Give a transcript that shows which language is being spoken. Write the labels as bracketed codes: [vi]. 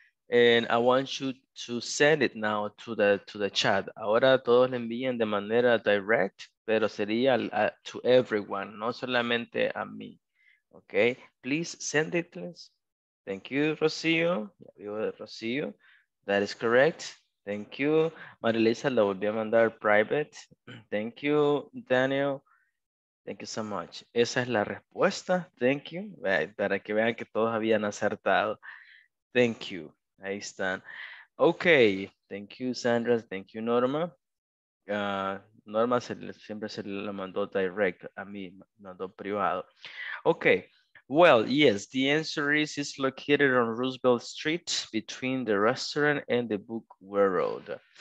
[en] And I want you to send it now to the chat. [es] Ahora todos le envían de manera direct, pero sería [en] to everyone, [es] no solamente a mí. [en] Okay, please send it. Thank you, Rocío. Vivo de Rocío. That is correct. Thank you. Marilisa, [es] lo volví a mandar [en] private. Thank you, Daniel. Thank you so much. [es] Esa es la respuesta. [en] Thank you. [es] Para que vean que todos habían acertado. [en] Thank you. [es] Ahí están. [en] Okay. Thank you, Sandra. Thank you, Norma. [es] Norma siempre se lo mandó direct a mí, mandó privado. [en] Okay, well, yes, the answer is it's located on Roosevelt Street between the restaurant and the book world.